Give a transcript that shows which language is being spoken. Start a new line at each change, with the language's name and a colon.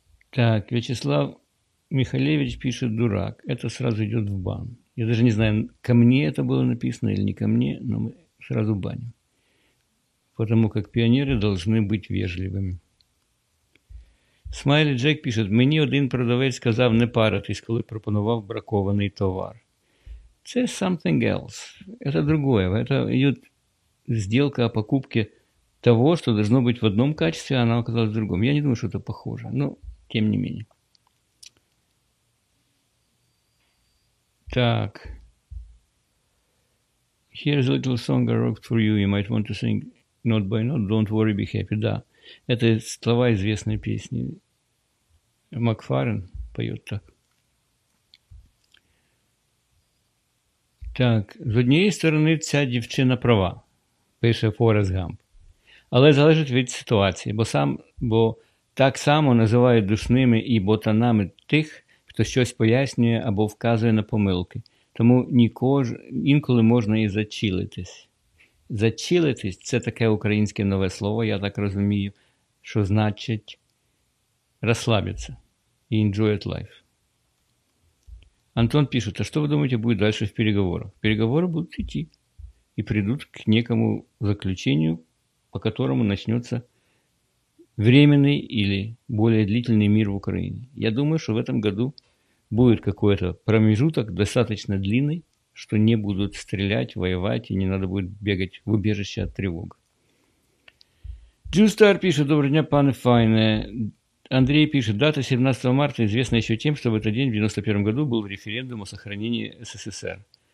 Russian: Так, Вячеслав Михалевич пишет, дурак, это сразу идет в бан. Я даже не знаю, ко мне это было написано или не ко мне, но мы сразу баним. Потому как пионеры должны быть вежливыми.
Ukrainian: Смайли Джек пишет, мені один продавець сказав не паритись, коли пропонував бракований товар. Це
English: something else.
Russian: Это другое. Это идет сделка о покупке того, что должно быть в одном качестве, а она оказалась в другом. Я не думаю, что это похоже, но тем не менее.
English: Так, here's a little song I wrote for you, you might want to sing note by note, don't worry, be happy.
Russian: Да, это слова известной песни. Макфарен поет так.
Ukrainian: Так, з однієї сторони ця дівчина права, пише Форест Гамп. Але залежить від ситуації, бо так само називають душними і ботанами тих, хто щось пояснює або вказує на помилки. Тому інколи можна і зачілитись. Зачілитись – це таке українське нове слово, я так розумію, що значить розслабитися і
English: enjoy it life.
Ukrainian: Антон пише, а що ви думаєте буде далі в переговорах? Переговори будуть йти і прийдуть
Russian: к некому
Ukrainian: заключенню,
Russian: по которому
Ukrainian: почнеться
Russian: временный или более длительный мир в Украине. Я думаю, что в этом году будет какой-то промежуток, достаточно длинный, что не будут стрелять, воевать, и не надо будет бегать в убежище от тревог. Джустар пишет:
Ukrainian: «Доброго дня, пане Файне».
Russian: Андрей пишет: «Дата 17 марта известна еще тем, что в этот день, в 91 году, был референдум о сохранении СССР».